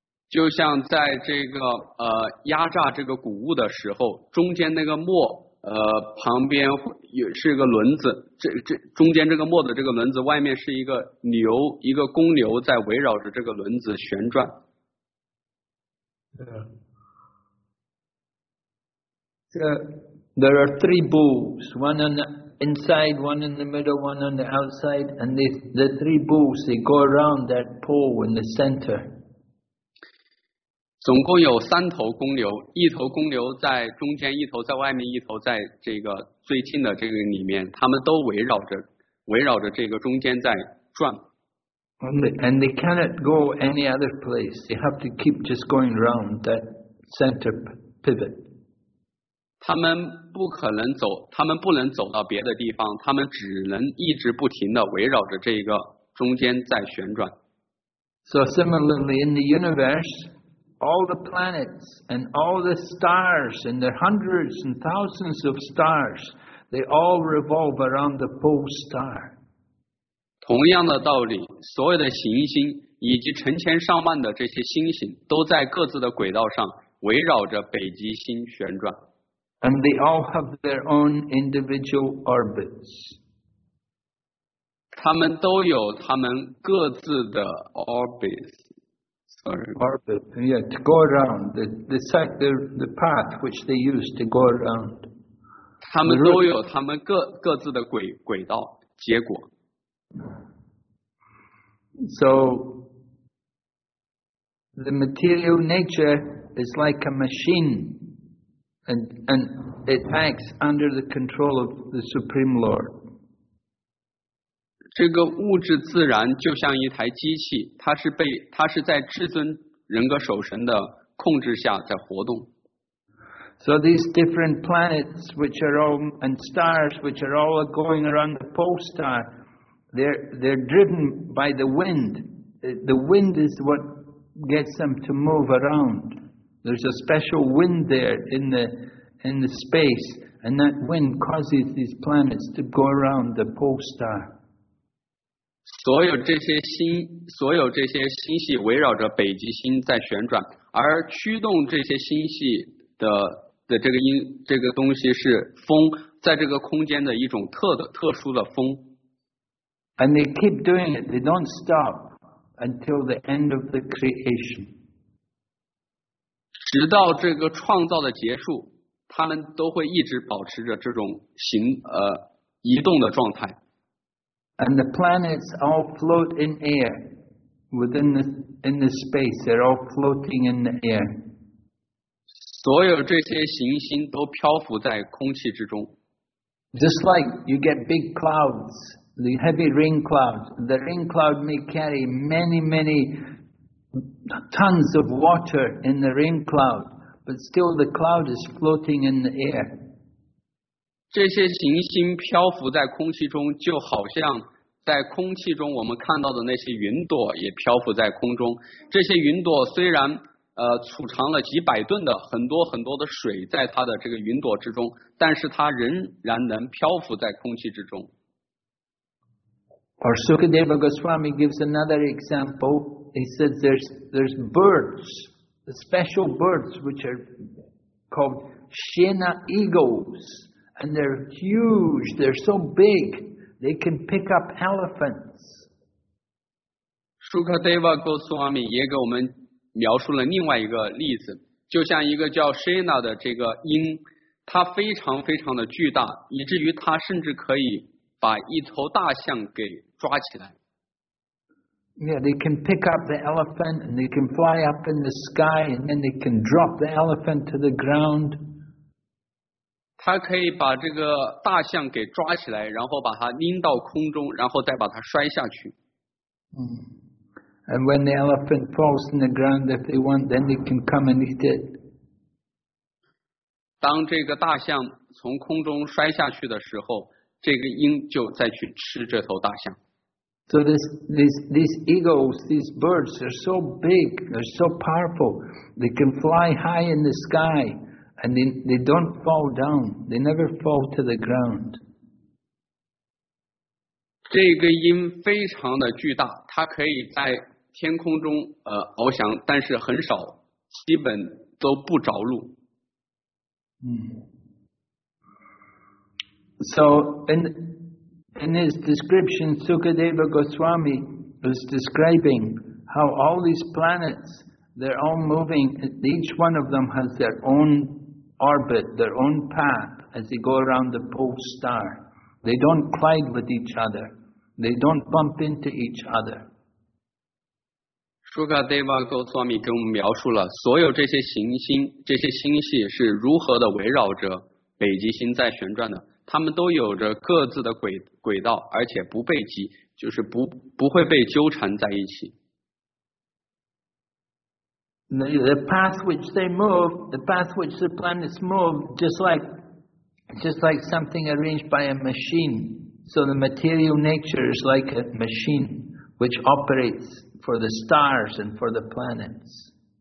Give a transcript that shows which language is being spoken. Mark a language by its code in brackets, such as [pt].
[zh] 就像在这个压榨这个谷物的时候，中间那个磨旁边也是一个轮子，这中间这个磨的这个轮子外面是一个牛，一个公牛在围绕着这个轮子旋转。 [en] There are three bulls, one on the inside, one in the middle, one on the outside, and the three bulls they go around that pole in the center. [zh] 总共有三头公牛，一头公牛在中间，一头在外面，一头在这个最近的这个里面，他们都围绕着这个中间在转。 [en] And they cannot go any other place. They have to keep just going around that center pivot. [zh] 他们不能走到别的地方，他们只能一直不停的围绕着这个中间在旋转。 [en] So similarly in the universe,All the planets and all the stars and the hundreds and thousands of stars, they all revolve around the pole star. [zh] 同样的道理，所有的行星以及成千上万的这些星星都在各自的轨道上围绕着北极星旋转。 [en] And they all have their own individual orbits. [zh] 他们都有他们各自的 orbits. [en] Orbit, yeah, to go around the path which they use to go around. [zh] 他们都有他们各自的轨道结果。 [en] So the material nature is like a machine, and it acts under the control of the Supreme Lord. [zh] 这个物质自然就像一台机器，它是在至尊人格守神的控制下在活动。 [en] So these different planets which are all and stars which are all going around the pole star, they're driven by the wind. The wind is what gets them to move around. There's a special wind there in the space, and that wind causes these planets to go around the pole star. [zh] 所有这些星系围绕着北极星在旋转，而驱动这些星系的这个东西是风，在这个空间的一种特殊的风。 [en] And they keep doing it, they don't stop. until the end of the creation. [zh] 直到这个创造的结束，他们都会一直保持着这种行移动的状态。 [en] And the planets all float in air within the in the space. They're all floating in the air. [zh] 所有这些行星都漂浮在空气之中。 [en] Just like you get big clouds, the heavy rain clouds. The rain cloud may carry many, many tons of water in the rain cloud, but still the cloud is floating in the air. [zh] 这些行星漂浮在空气中，就好像在空气中我们看到的那些云朵也漂浮在空中。这些云朵虽然储藏了几百吨的很多很多的水在它的这个云朵之中，但是它仍然能漂浮在空气之中。 [en] Or Sukadeva Goswami gives another example. He says there's birds, special birds which are called Shena eagles, and they're huge. They're so big they can pick up elephants. [zh] Sukadeva Goswami 也给我们描述了另外一个例子，就像一个叫 Shena 的这个鹰，它非常非常的巨大，以至于它甚至可以把一头大象给抓起来。 [en] Yeah, they can pick up the elephant and they can fly up in the sky and then they can drop the elephant to the ground. [zh] 它可以把这个大象给抓起来，然后把它拎到空中，然后再把它摔下去。嗯。 [en] And when the elephant falls in the ground, if they want, then they can come and eat it. [zh] 当这个大象从空中摔下去的时候，这个鹰就再去吃这头大象。 [en] So these eagles, these birds, they're so big, they're so powerful. They can fly high in the sky, and they don't fall down. They never fall to the ground. [zh] 这个鹰非常的巨大，它可以在天空中翱翔，但是很少，基本都不着陆。嗯。 [en] So in his description, Sukadeva Goswami was describing how all these planets, they're all moving. Each one of them has their own orbit, their own path as they go around the pole star. They don't collide with each other. They don't bump into each other. [zh] Sukadeva Goswami 给我们描述了所有这些行星、这些星系是如何的围绕着北极星在旋转的。它们都有着各自的轨道，而且不被挤，就是不会被纠缠在一起。 [en] The path which they move, the path which the planets move, just like something arranged by a machine. So the material nature is like a machine which operates for the stars and for the planets.